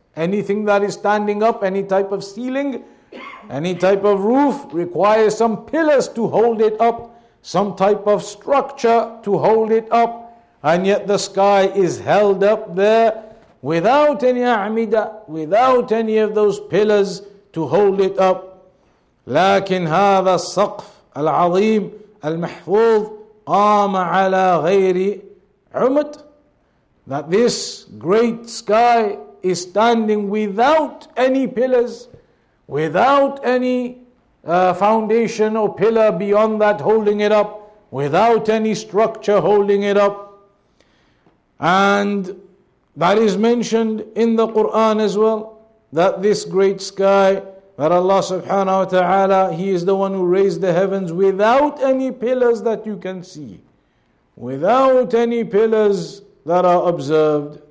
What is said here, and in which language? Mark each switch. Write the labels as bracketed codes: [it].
[en] Anything that is standing up, any type of ceiling, any type of roof requires some pillars to hold it up, some type of structure to hold it up, and yet the sky is held up there without any amida, without any of those pillars to hold it up. [ar] لكن هذا السقف العظيم المحفوظ قام على غير عمد. [en] That this great sky is standing without any pillars, without any foundation or pillar beyond that holding it up, without any structure holding it up. And that is mentioned in the Quran as well, that this great sky, that Allah subhanahu wa ta'ala, He is the one who raised the heavens without any pillars that you can see, without any pillars that are observed.